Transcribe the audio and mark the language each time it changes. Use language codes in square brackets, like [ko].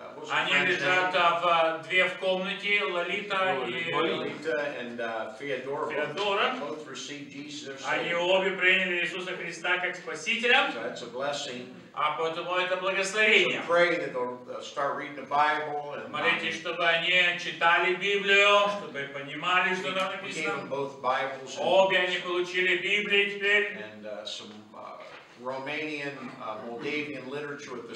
[ru] Они лежат в две в комнате, Лолита и Феодора. Они обе приняли Иисуса Христа как Спасителя. [en] That's a blessing. [ru] А поэтому это благословение. [en] So pray that they'll start reading the Bible and. [ru] Молитесь, чтобы они читали Библию, чтобы понимали, что там написано. Обе они получили Библии теперь. [en] And some Romanian, Moldavian literature with the